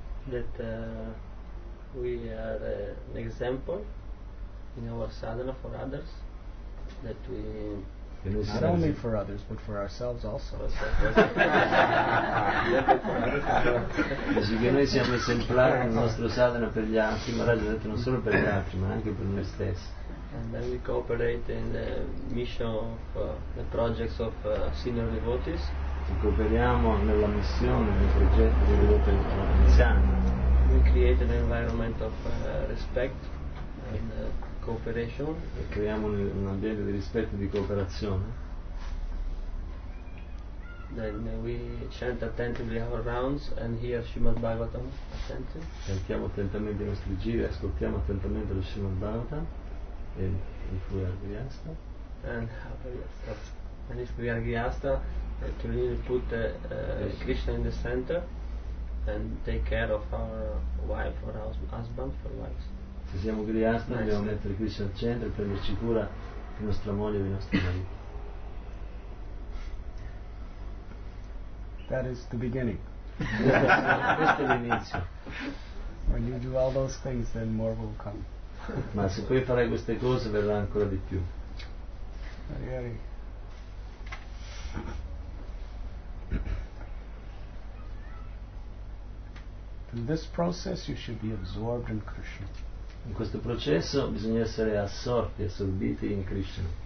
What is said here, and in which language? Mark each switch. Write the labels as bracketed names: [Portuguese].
[English] That we are an example in our sadhana for others. That we not only for others but for ourselves also. [Italian] Che noi siamo esemplari nel nostro sadhana per gli altri, ma l'ha detto non solo per gli altri ma anche per noi stessi. [English] And then we cooperate in the mission of the projects of senior devotees. [Italian] Ci cooperiamo nella missione, nei progetti dei devoti anziani. [English] We create an environment of respect and cooperation. [Italian] E creiamo un ambiente di rispetto e di cooperazione. [English] Then we chant attentively our rounds and hear Srimad Bhagavatam attentively. [Italian] Cantiamo attentamente i nostri giri, ascoltiamo attentamente lo Srimad Bhagavatam. [English] And if we are Grihastha, to really put yes. Krishna in the center and take care of our wife or our husband for wives. [Italian] Se siamo Grihastha, nice. Dobbiamo mettere Krishna al centro e prenderci cura di nostra moglie e di nostro marito. [English] That is the beginning. [Italian] Questo è l'inizio. [English] When you do all those things, then more will come. [Italian] Ma se poi farai queste cose verrà ancora di più. [Sanskrit] Hari Hari. [English] In this process you should be absorbed in Krishna. [Italian] In questo processo bisogna essere assorti, assorbiti in Krishna.